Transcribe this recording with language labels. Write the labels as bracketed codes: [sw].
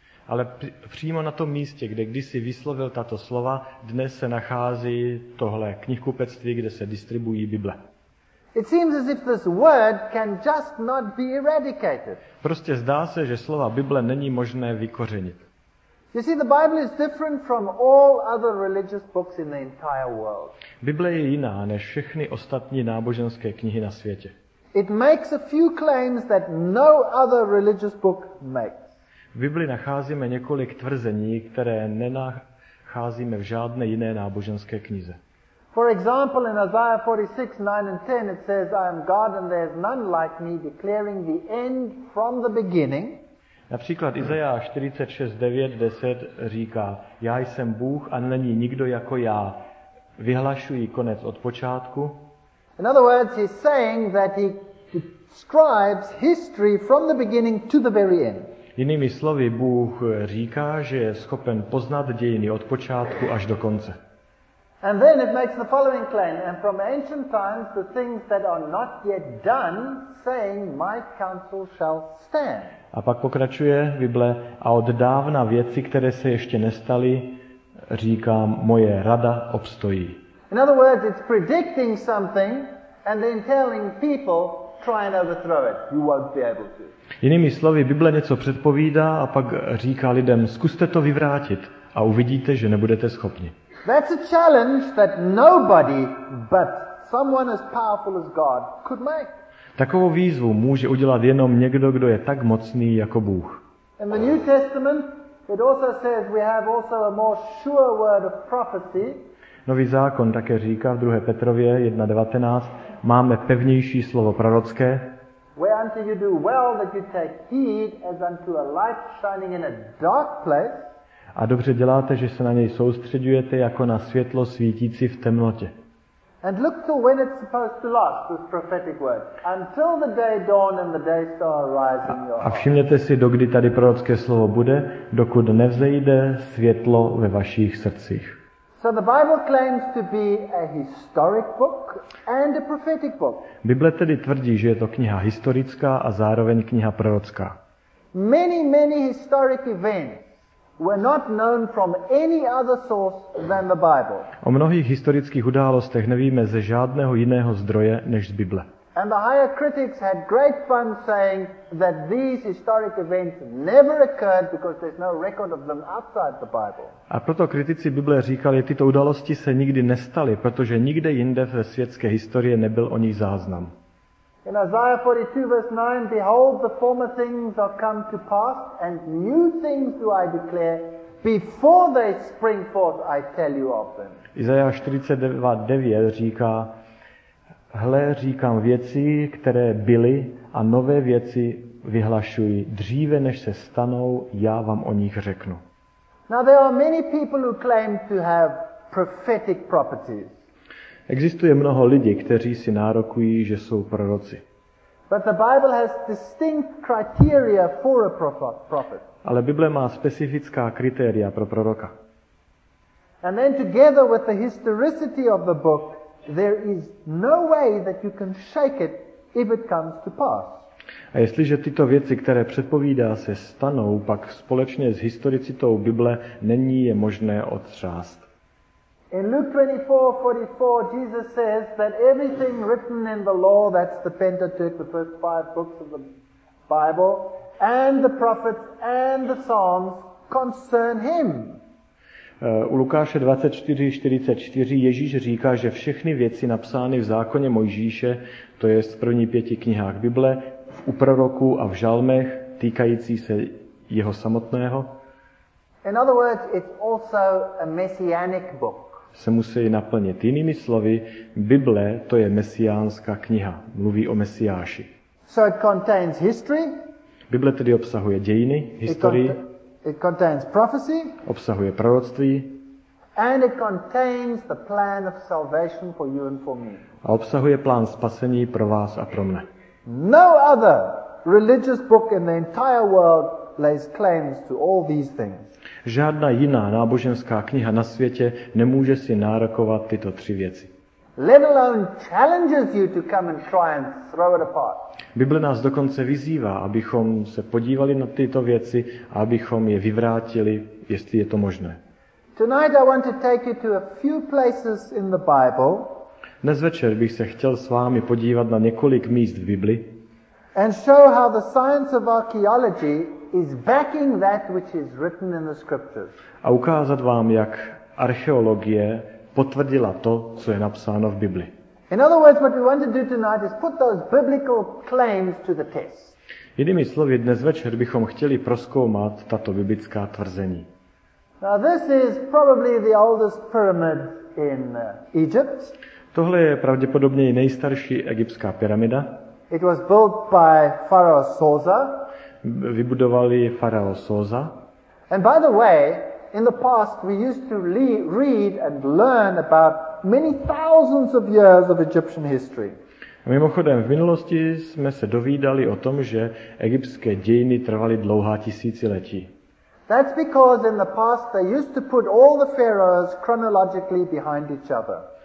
[cs] Ale přímo na tom místě, kde kdysi vyslovil tato slova, dnes se nachází tohle knihkupectví, kde se distribuují Bible. [en] It seems as if this word can just not be eradicated. [cs] Prostě zdá se, že slova Bible není možné vykořenit. [en] You see, the Bible is different from all other religious books in the entire world. [cs] Bible je jiná než všechny ostatní náboženské knihy na světě. [en] It makes a few claims that no other religious book makes. [cs] V Bibli nacházíme několik tvrzení, které nenacházíme v žádné jiné náboženské knize. [en] For example, in Isaiah 46:9-10 it says, "I am God and there is none like me, declaring the end from the beginning." [cs] Například Izajáš 46:9-10 říká: "Já jsem Bůh a není nikdo jako já, vyhlašují konec od počátku. [en] In other words, he's saying that he describes history from the beginning to the very end. [cs] Jinými slovy, Bůh říká, že je schopen poznat dějiny od počátku až do konce. [en] And then it makes the following claim, and from ancient times the things that are not yet done, saying my counsel shall stand. [cs] A pak pokračuje Bible, a od dávna věci, které se ještě nestaly, říkám, moje rada obstojí. [en] In other words, it's predicting something and then telling people try and overthrow it. You won't be able to. [cs] Jinými slovy, Bible něco předpovídá a pak říká lidem, zkuste to vyvrátit a uvidíte, že nebudete schopni. [en] That's a challenge that nobody but someone as powerful as God could make. [cs] Takovou výzvu může udělat jenom někdo, kdo je tak mocný jako Bůh. [en] In the New Testament, it also says we have also a more sure word of prophecy. [cs] Nový zákon také říká v 2. Petrově 1:19, máme pevnější slovo prorocké. [en] Where unto you do well that you take heed as unto a light shining in a dark place. [cs] A dobře děláte, že se na něj soustředujete jako na světlo svítící v temnotě. [en] And look to when it's supposed to last, this prophetic word. Until the day dawn and the day star rise in your heart. [cs] A všimněte si, dokdy tady prorocké slovo bude, dokud nevzejde světlo ve vašich srdcích. [en] So the Bible claims to be a historic book and a prophetic book. [cs] Bible tedy tvrdí, že je to kniha historická a zároveň kniha prorocká. [en] Many, many historic events were not known from any other source than the Bible. [cs] O mnohých historických událostech nevíme ze žádného jiného zdroje než z Bible. [en] And the higher critics had great fun saying that these historic events never occurred because there's no record of them outside the Bible. [cs] A proto kritici Bible říkali, tyto události se nikdy nestaly, protože nikde jinde ve světské historii nebyl o nich záznam. [en] In Isaiah 42 verse 9, behold, the former things are come to pass, and new things do I declare, before they spring forth, I tell you of them. [cs] Izajáš 42:9 říká, hle, říkám věci, které byly, a nové věci vyhlašuji, dříve než se stanou, já vám o nich řeknu. [en] Now there are many people who claim to have prophetic properties. [cs] Existuje mnoho lidí, kteří si nárokují, že jsou proroci. [en] But the Bible has distinct criteria for a prophet. [cs] Ale Bible má specifická kritéria pro proroka. [en] And then together with the historicity of the book, there is no way that you can shake it if it comes to pass. [cs] A jestliže tyto věci, které předpovídá, se stanou, pak společně s historicitou Bible není je možné otřást. [en] In Luke 24:44, Jesus says that everything written in the law, that's the Pentateuch, the first five books of the Bible, and the prophets and the Psalms concern him. [cs] U Lukáše 24:44 Ježíš říká, že všechny věci napsány v zákoně Mojžíše, to je v první pěti knihách Bible, u proroků a v žalmech, týkající se jeho samotného. [en] In other words, it's also a messianic book. [cs] Se musí naplnit. Jinými slovy, Bible, to je mesiánská kniha. Mluví o Mesiáši. [en] So it contains history. [cs] Bible tedy obsahuje dějiny, historii. [en] It contains prophecy. [cs] Obsahuje proroctví. [en] And it contains the plan of salvation for you and for me. [cs] A obsahuje plán spasení pro vás a pro mne. [en] No other religious book in the entire world lays claims to all these things. [cs] Žádná jiná náboženská kniha na světě nemůže si nárokovat tyto tři věci. [en] Let alone challenges you to come and try and throw it apart. [cs] Bible nás dokonce vyzývá, abychom se podívali na tyto věci a abychom je vyvrátili, jestli je to možné. [en] Tonight I want to take you to a few places in the Bible. [cs] Dnes večer bych se chtěl s vámi podívat na několik míst v Bibli. [en] And show how the science of archaeology is backing that which is written in the scriptures. [cs] A ukázat vám, jak archeologie potvrdila to, co je napsáno v Bibli. [en] In other words, what we want to do tonight is put those biblical claims to the test. [cs] Jinými slovy, dnes večer bychom chtěli prozkoumat tato biblická tvrzení. [en] Now this is probably the oldest pyramid in Egypt. [cs] Tohle je pravděpodobně nejstarší egyptská pyramida. [en] It was built by Pharaoh Sosa. [cs] Vybudoval ji faraon Sosa. [en] And by the way, in the past we used to read and learn about many thousands of years of Egyptian history. [cs] Mimochodem, v minulosti jsme se dovídali o tom, že egyptské dějiny trvaly dlouhá tisíciletí. [en] That's because in the past they used to put all the pharaohs chronologically behind each other.